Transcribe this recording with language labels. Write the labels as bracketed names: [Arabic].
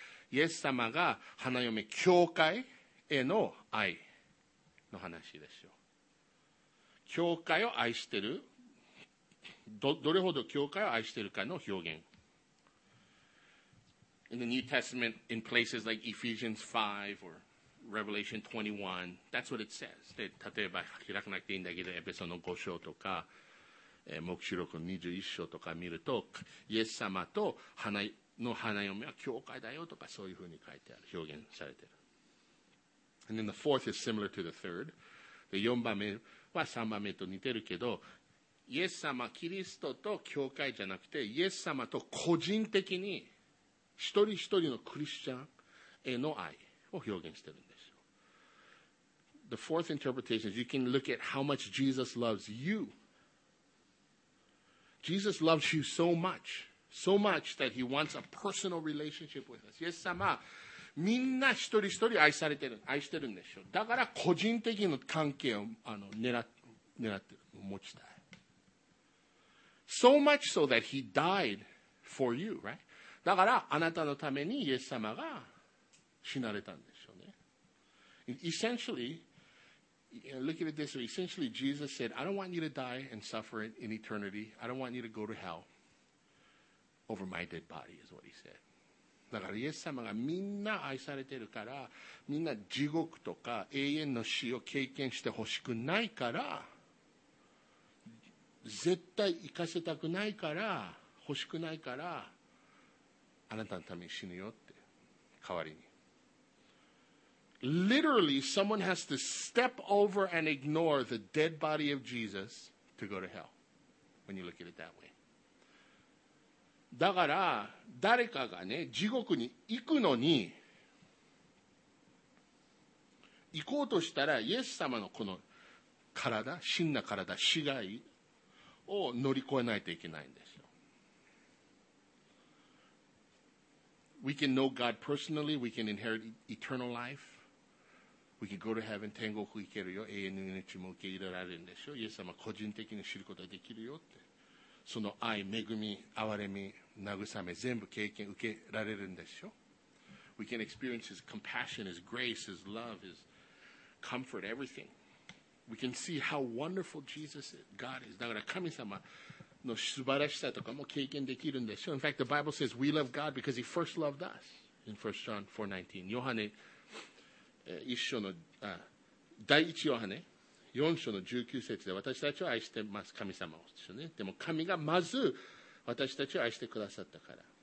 [Japanese] イエス様が花嫁教会への愛の話でしょう。教会を愛してる。どれほど教会を愛してるかの表現。 [English] In the New Testament, in places like Ephesians 5 or Revelation 21, that's what it says. [Japanese] で、例えば開かなくていいんだけど、エペソの5章とか、黙示録21章とか見ると、イエス様と花の花嫁は教会だよとかそういうふうに書いてある、表現されてる。 [English] And then the fourth is similar to the third. [Japanese] で、4番目は3番目と似てるけど、イエス様、キリストと教会じゃなくて、イエス様と個人的に一人一人のクリスチャンへの愛を表現してるんですよ。 [English] The fourth interpretation is you can look at how much Jesus loves you. Jesus loves you so much. So much that he wants a personal relationship with us. [Japanese] イエス様、みんな一人一人愛されてる、愛してるんでしょ。だから個人的な関係を狙ってる、持ちたい。 [English] So much so that he died for you, right? [Japanese] だからあなたのためにイエス様が死なれたんでしょうね。 [English] Essentially, look at it this way. Essentially, Jesus said, I don't want you to die and suffer in eternity. I don't want you to go to hell. Over my dead body is what he said. [Japanese] だからイエス様がみんな愛されてるから、みんな地獄とか永遠の死を経験してほしくないから、絶対行かせたくないから、欲しくないから、あなたのために死ぬよって、代わりに。 [English] Literally, someone has to step over and ignore the dead body of Jesus to go to hell, when you look at it that way. [Japanese] だから誰かがね地獄に行くのに行こうとしたらイエス様のこの体、死んだ体、死骸を乗り越えないといけないんですよ。 [English] We can know God personally, we can inherit eternal life, we can go to heaven, [Japanese] 天国行けるよ、永遠の命も受け入れられるんでしょ、イエス様個人的に知ることができるよって、その愛、恵み、憐れみ、慰め、全部経験受けられるんでしょ。 [English] We can experience his compassion, his grace, his love, his comfort, everything. We can see how wonderful Jesus is, God is. [Japanese] だから神様の素晴らしさとかも経験できるんでしょ。 [English] In fact, the Bible says we love God because he first loved us. In 1 John 4:19. [Japanese] ヨハネ一章の、第一ヨハネ。 4章の19節で私たちを愛してます神様をですよね。でも神がまず私たちを愛してくださったから。